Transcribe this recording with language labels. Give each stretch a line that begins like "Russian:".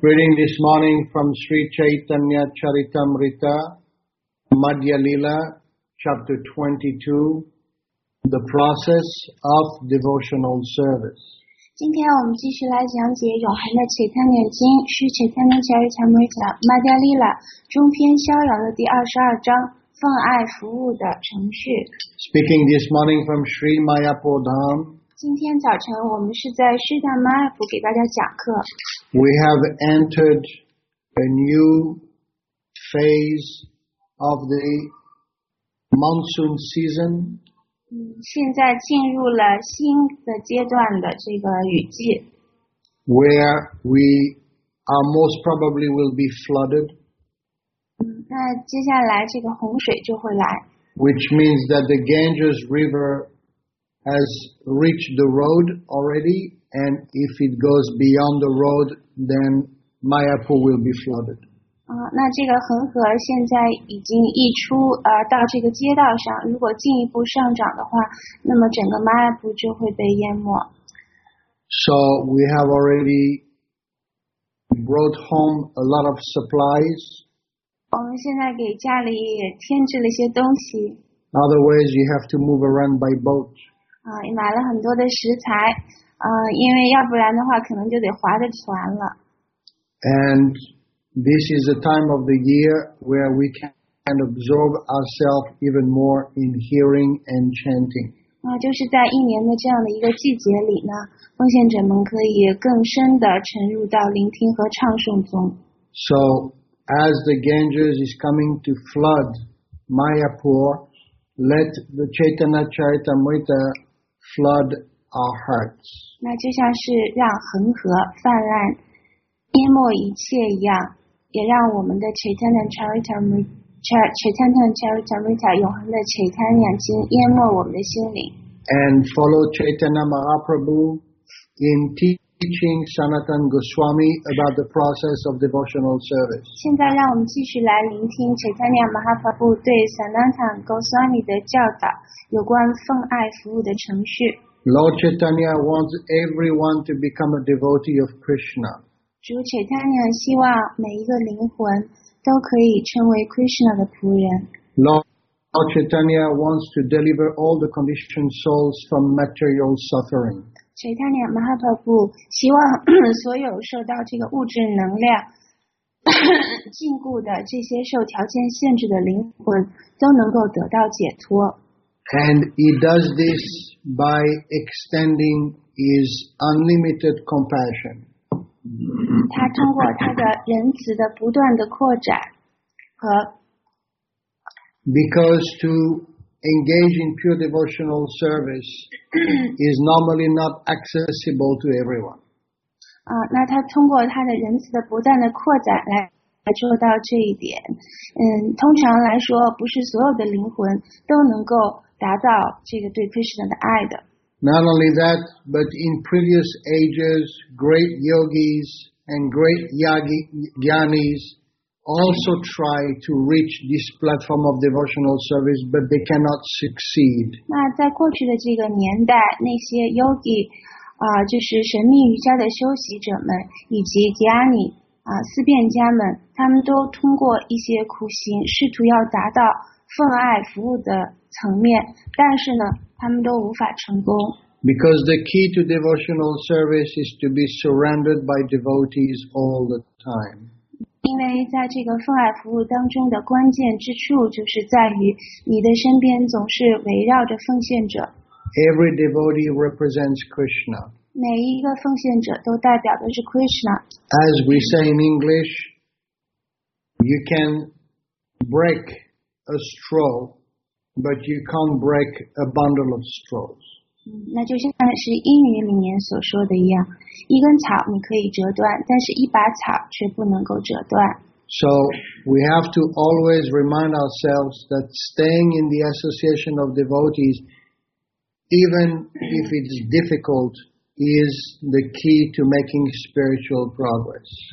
English: Greeting this morning from Sri Chaitanya Charitamrita Madhya Leela Chapter 22, The Process of Devotional Service.
Chinese: 今天我们继续来讲解永恒的启迪年经，是启迪年乔瑞乔姆瑞塔玛迪亚利拉中篇逍遥的第22章，奉爱服务的程序。
English: Speaking this morning from Sri Mayapur Dham.
Chinese: 今天早晨我们是在师大玛雅普给大家讲课。
English: We have entered a new phase of the Monsoon season.
Chinese: 现在进入了新的阶段的这个雨季。
English: Where we are most probably will be flooded.
Chinese: 那接下来这个洪水就会来。
English: Which means that the Ganges River has reached the road already, and if it goes beyond the road, then Mayapur will be flooded.
Chinese: 那这个恒河现在已经溢出到这个街道上，如果进一步上涨的话，那么整个马尔普就会被淹没。
English: So we have already brought home a lot of supplies.
Chinese: 我们现在给家里也添置了一些东西。
English: Otherwise you have to move around by boat.
Chinese: 买了很多的食材，因为要不然的话可能就得划着船了。
English: And This is a time of the year where we can absorb ourselves even more in hearing and chanting.
Chinese: 就是在一年的这样的一个季节里呢，奉献者们可以更深地沉入到聆听和唱诵中。
English: So, as the Ganges is coming to flood Mayapur, let the Chaitanya Charitamrita flood our hearts.
Chinese: 那就像是让恒河泛滥淹没一切一样，也让我们的 Chaitanya Charitamrita 永恒的 Chaitanya 经淹没我们的心灵。
English: And follow Chaitanya Mahaprabhu in teaching Sanatan Goswami about the process of devotional service.
Chinese: 现在让我们继续来聆听 Chaitanya Mahaprabhu 对 Sanatan Goswami 的教导，有关奉爱服务的程序。
English: Lord Chaitanya wants everyone to become a devotee of Krishna.
Chinese: 主 Chaitanya 希望每一个灵魂都可以成为 Krishna 的仆人。
English: Lord Chaitanya wants to deliver all the conditioned souls from material suffering.
Chinese: Chaitanya Mahaprabhu 希望所有受到这个物质能量禁锢的这些受条件限制的灵魂都能够得到解脱。
English: And he does this by extending his unlimited compassion.
Chinese: 他通过他的仁慈的不断的扩展和
English: Because to engage in pure devotional service is normally not accessible to everyone.
Chinese: 那他通过他的仁慈的不断的扩展来做到这一点。通常来说不是所有的灵魂都能够达到这个对 Krishna 的爱的。
English: Not only that, but in previous ages, great yogis and great jnanis also try to reach this platform of devotional service, but they cannot succeed.
Chinese: 那在过去的这个年代，那些 yogi, 就是神秘瑜伽的修习者们，以及 jnani, 思辨家们，他们都通过一些苦行，试图要达到奉爱服务的层面，但是呢，他们都无法成功。
English: Because the key to devotional service is to be surrounded by devotees all the time.
Chinese: 因为在这个奉爱服务当中的关键之处就是在于你的身边总是围绕着奉献者。
English: Every devotee represents Krishna.
Chinese: 每一个奉献者都代表的是 Krishna.
English: As we say in English, you can break a straw, but you can't break a bundle of straws.
Chinese: 那就像是英语里面所说的一样，一根草你可以折断，但是一把草却不能够折断。
English: So we have to always remind ourselves that staying in the association of devotees, even if it's difficult, is the key to making spiritual progress.